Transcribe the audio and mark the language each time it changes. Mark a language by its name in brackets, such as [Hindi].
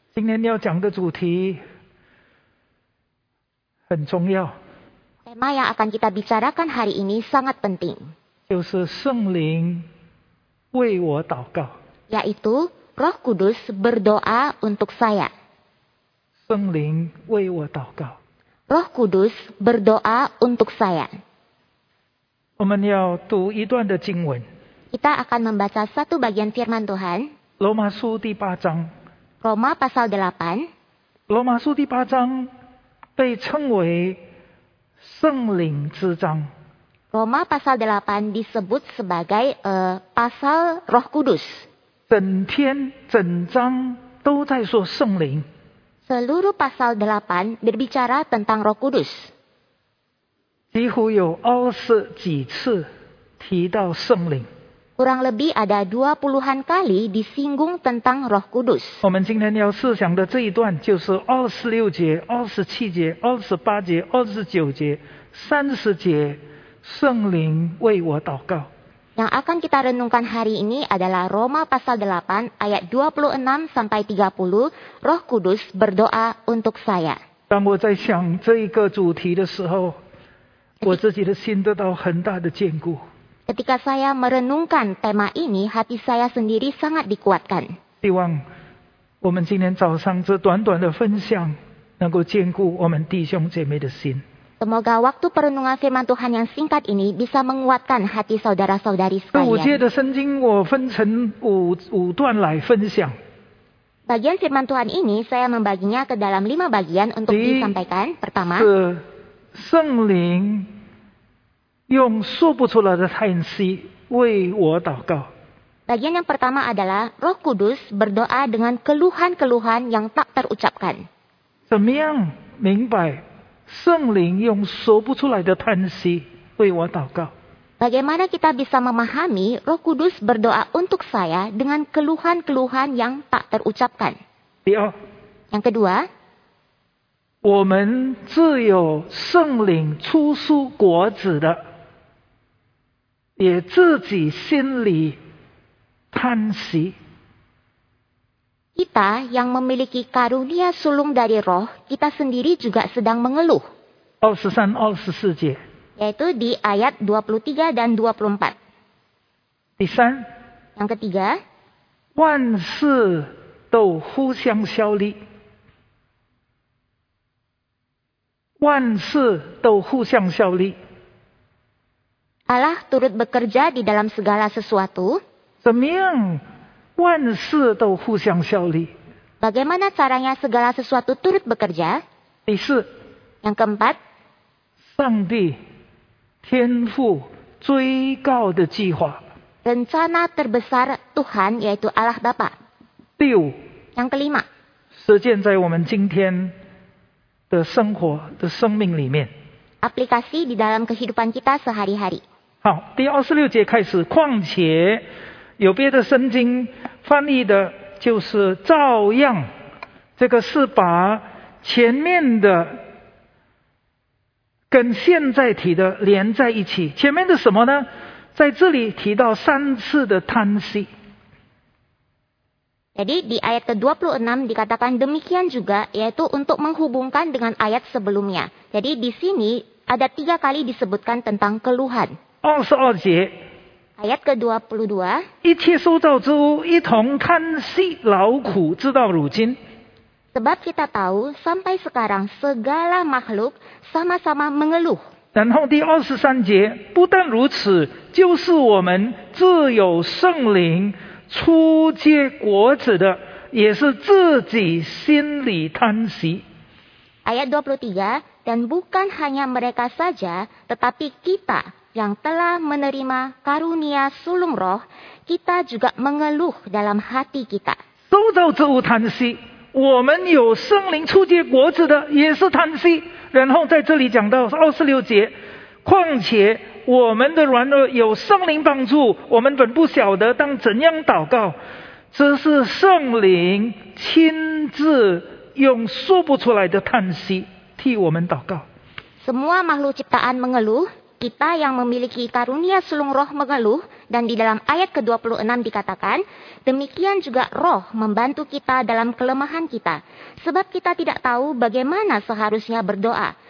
[Chinese] 今天要讲的主题很重要。 [Indonesian] Tema yang akan kita bicarakan hari ini sangat penting. [Chinese] 就是圣灵为我祷告。 [Indonesian] Yaitu Roh Kudus berdoa untuk saya. [Chinese] 圣灵为我祷告。 [Indonesian] Roh Kudus berdoa untuk saya. [Chinese] 我们要读一段的经文。 [Indonesian] Kita akan membaca satu bagian firman Tuhan. [Chinese] Roma 书第八章。 [Indonesian] Roma pasal 8. [Chinese] Roma 书第八章被称为圣灵之章。 [Indonesian] Roma pasal 8 disebut sebagai pasal Roh Kudus. [Chinese] 整天整章都在说圣灵。 [Indonesian] Seluruh pasal 8 berbicara tentang Roh Kudus. [Chinese] 几乎有20几次提到圣灵。 [Indonesian] Kurang lebih ada 20-an kali disinggung tentang Roh Kudus. [Chinese] 我们今天要思想的这一段就是26节、27节、28节、29节、30节圣灵为我祷告。 [Indonesian] Yang akan kita renungkan hari ini adalah Roma pasal 8 ayat 26 sampai 30, Roh Kudus berdoa untuk saya. [Chinese] 当我在想这一个主题的时候，我自己的心得到很大的坚固。 [Indonesian] Ketika saya merenungkan tema ini, hati saya sendiri sangat dikuatkan. [Chinese] 希望我们今天早上这短短的分享能够坚固我们弟兄姐妹的心。 [Indonesian] Semoga waktu perenungan firman Tuhan yang singkat ini bisa menguatkan hati saudara-saudari sekalian. [Chinese] 第五节的圣经我分成五段来分享。 [Indonesian] Bagian firman Tuhan ini saya membaginya ke dalam 5 bagian untuk disampaikan. Pertama, [Chinese] 是圣灵用说不出来的叹息为我祷告。 [Indonesian] Bagian yang pertama adalah Roh Kudus berdoa dengan keluhan-keluhan yang tak terucapkan. [Chinese] 怎么样明白圣灵用说不出来的叹息为我祷告？ [Indonesian] Bagaimana kita bisa memahami Roh Kudus berdoa untuk saya dengan keluhan-keluhan yang tak terucapkan? [Chinese] 第二。 [Indonesian] Yang kedua, [Chinese] 我们自有圣灵出书果子的，也自己心里叹息。 [Indonesian] Kita yang memiliki karunia sulung dari roh, kita sendiri juga sedang mengeluh. [Chinese] 23-24 节. [Indonesian] Yaitu di ayat 23 dan 24. [Chinese] 第三. [Indonesian] Yang ketiga. [Chinese] 万事都互相效力。万事都互相效力。 [Indonesian] Allah turut bekerja di dalam segala sesuatu. [Chinese] 怎么样万事都互相效力。 [Indonesian] Bagaimana caranya segala sesuatu turut bekerja? [Chinese] 第四。 [Indonesian] Yang keempat. [Chinese] 上帝天父最高的计划。 [Indonesian] Rencana terbesar Tuhan yaitu Allah Bapa. [Chinese] 第五。 [Indonesian] Yang kelima. [Chinese] 实践在我们今天的生活的生命里面。 [Indonesian] Aplikasi di dalam kehidupan kita sehari-hari. [Chinese] 好，第26节开始，况且有别的圣经翻译的就是照样，这个是把前面的跟现在提的连在一起。前面的什么呢？在这里提到三次的叹息。 [Indonesian] Jadi di ayat ke-26 dikatakan demikian juga, yaitu untuk menghubungkan dengan ayat sebelumnya. Jadi di sini ada 3 kali disebutkan tentang keluhan. [Chinese] 22节。 [Indonesian] Ayat ke-22. [Chinese] 一切受造之物一同叹息劳苦直到如今。 [Indonesian] Sebab kita tahu sampai sekarang segala makhluk sama-sama mengeluh. [Chinese] 然后第23节，不但如此，就是我们自有圣灵初结果子的，也是自己心里叹息。 [Indonesian] Ayat 23, dan bukan hanya mereka saja, tetapi kita yang telah menerima karunia sulung roh, kita juga mengeluh dalam hati kita. [Chinese] 受造之物叹息，我们有圣灵初结果子的也是叹息。然后在这里讲到26节，况且我们的软弱有圣灵帮助，我们本不晓得当怎样祷告，只是圣灵亲自用说不出来的叹息替我们祷告。 [Indonesian] Semua makhluk ciptaan mengeluh, kita yang memiliki karunia sulung roh mengeluh, Dan di dalam ayat ke-26 dikatakan, demikian juga roh membantu kita dalam kelemahan kita. Sebab kita tidak tahu bagaimana seharusnya berdoa.